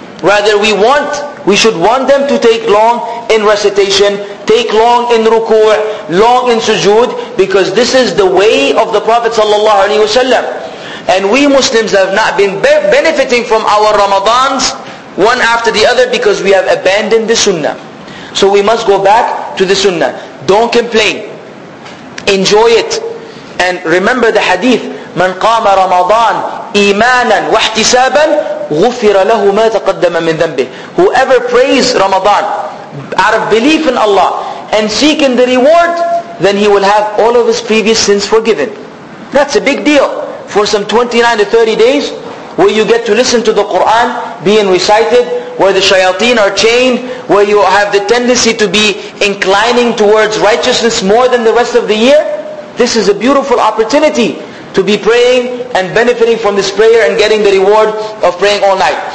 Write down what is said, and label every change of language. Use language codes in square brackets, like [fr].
[en] Rather, we should want them to take long in recitation, take long in ruku', long in sujood, because this is the way of the Prophet sallallahu alaihi wasallam. And we Muslims have not been benefiting from our Ramadans one after the other because we have abandoned the sunnah. So we must go back to the sunnah. Don't complain. Enjoy it. And remember the hadith, [ar] من قام رمضان إيمانا واحتسابا غفر له ما تقدم من ذنبه. [en] Whoever prays Ramadan out of belief in Allah and seeking the reward, then he will have all of his previous sins forgiven. That's a big deal. For some 29 to 30 days, where you get to listen to the Qur'an being recited, where the shayateen are chained, where you have the tendency to be inclining towards righteousness more than the rest of the year, this is a beautiful opportunity to be praying and benefiting from this prayer and getting the reward of praying all night.